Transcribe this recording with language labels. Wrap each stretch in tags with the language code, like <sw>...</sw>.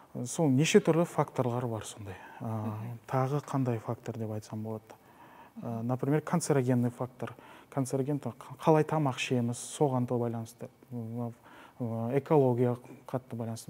<kk>Сол неше түрлі факторлар бар сондай. Тағы қандай фактор деп айтсам болады.</kk> <ru>Например, канцерогенный фактор.</ru> <kk>Канцероген, қалай тамақ ішеміз, соған да байланысты, экология қатты байланысты.</kk>